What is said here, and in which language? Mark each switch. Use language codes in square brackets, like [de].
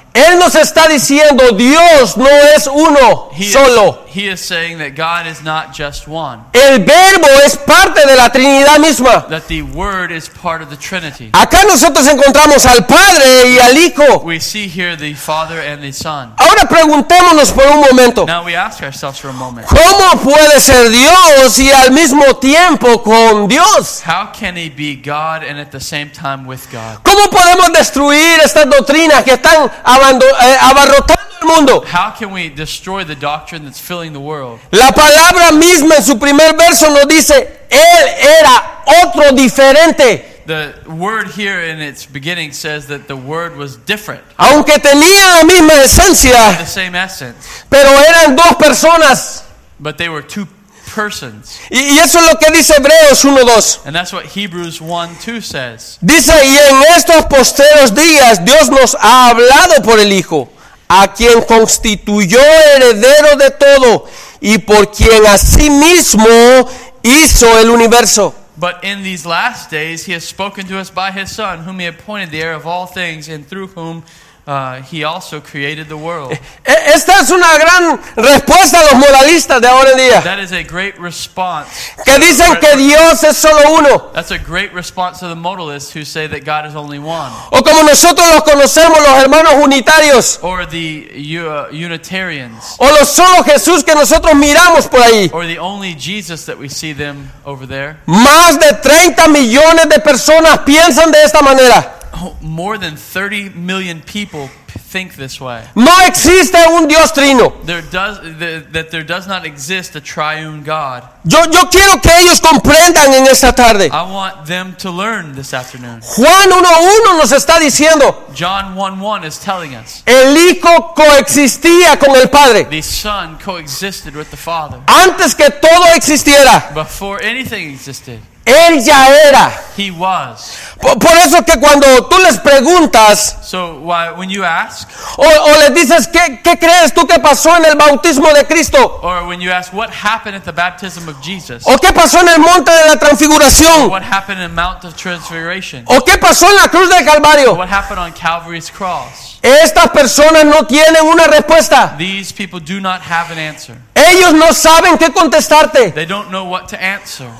[es] Él nos está diciendo Dios no es uno solo. [en] He is saying that God is not just one. [es] El verbo es parte de la Trinidad misma. [en] That the word is part of the Trinity. [es] Acá nosotros encontramos al Padre y al Hijo. [en] We see here the Father and the Son. [es] Ahora preguntémonos por un momento. [en] Now we ask ourselves for a moment. [es] ¿Cómo puede ser Dios y al mismo tiempo con Dios? [en] How can he be God and at the same time with God? [es] ¿Cómo podemos destruir estas doctrinas que están abarrotando el mundo? [en] How can we destroy the doctrine that's filling the world? [es] La palabra misma en su primer verso nos dice, él era otro diferente. [en] the word here in its beginning says that the word was different. [es] Aunque tenía la misma esencia, [en] the same essence. [es] Pero eran dos personas. [en] But they were two persons. [es] Y eso es lo que dice Hebreos 1:2. [en] And that's what Hebrews 1:2 says. [es] Dice, y en estos postreros días Dios nos ha hablado por el Hijo, a quien constituyó heredero de todo y por quien a sí mismo hizo el universo. [en] But in these last days he has spoken to us by his Son, whom he appointed the heir of all things, and through whom he also created the world. [es] Esta es una gran respuesta a los moralistas de ahora en día. [en] That is a great response. [es] Que dicen que Dios es solo uno. [en] That's a great response to the modalists who say that God is only one. [es] O como nosotros los conocemos, los hermanos unitarios. [en] Or the Unitarians. [es] O los solo Jesús que nosotros miramos por ahí. [en] Or the only Jesus that we see them over there. [es] Más de 30 millones de personas piensan de esta manera. [en] More than 30 million people think this way. [es] No existe un Dios trino. [en] There does not exist a triune God. [es] Yo quiero que ellos comprendan en esta tarde. [en] I want them to learn this afternoon. [es] Juan 1:1 nos está diciendo. [en] John 1:1 is telling us. [es] El Hijo coexistía con el Padre. [en] The Son coexisted with the Father. [es] Antes que todo existiera. [en] Before anything existed. [es] Él ya era. [en] He was. [es] Por eso que cuando tú les preguntas, [en] so, why, when you ask, [es] o les dices, ¿qué crees tú que pasó en el bautismo de Cristo? [en] Or when you ask, what happened at the baptism of Jesus? [es] ¿O qué pasó en el monte de la transfiguración? [en] What happened in the Mount of Transfiguration? [es] ¿O qué pasó en la cruz del Calvario? [en] What happened on Calvary's cross? [es] Estas personas no tienen una respuesta. [en] These people do not have an answer. [es] Ellos no saben qué contestarte. [en] They don't know what to answer.